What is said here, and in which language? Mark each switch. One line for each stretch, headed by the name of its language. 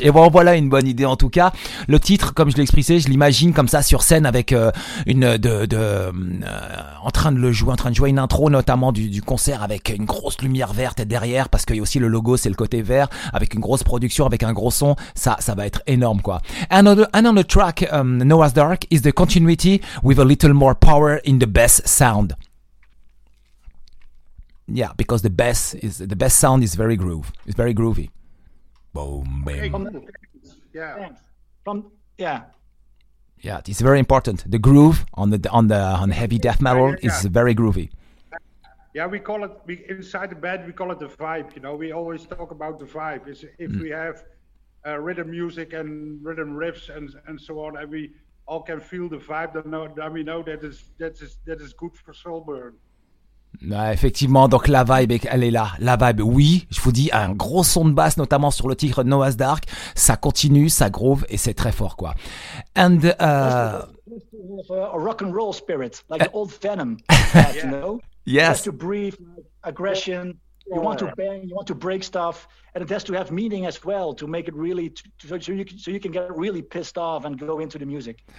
French: Et bon, voilà une bonne idée en tout cas. Le titre, comme je l'expliquais, je l'imagine comme ça sur scène avec en train de jouer une intro, notamment du concert avec une grosse lumière verte derrière, parce qu'il y a aussi le logo, c'est le côté vert, avec une grosse production, avec un gros son. Ça va être énorme, quoi.
English: Another track, Noah's Dark, is the continuity with a little more power in the bass sound. Yeah, because the bass sound is very groove. It's very groovy. Boom, bam. Yeah, it's very important. The groove on heavy death metal is very groovy. Yeah, we call it inside the band. We call it the vibe. You know, we always talk about the vibe. It's if we have rhythm music and rhythm riffs and so on, and we all can feel the vibe, then we know that is good for Soulburn.
French: Ouais, effectivement, donc la vibe, elle est là. La vibe, oui, je vous dis, un gros son de basse, notamment sur le titre Noah's Dark. Ça continue, ça groove et c'est très fort, quoi.
English: And a rock and roll spirit, like the old Venom, you know. Yes. It has to breathe, aggression. You want to bang, you want to break stuff, and it has to have meaning as well to make it really so you can get really pissed off and go into the music.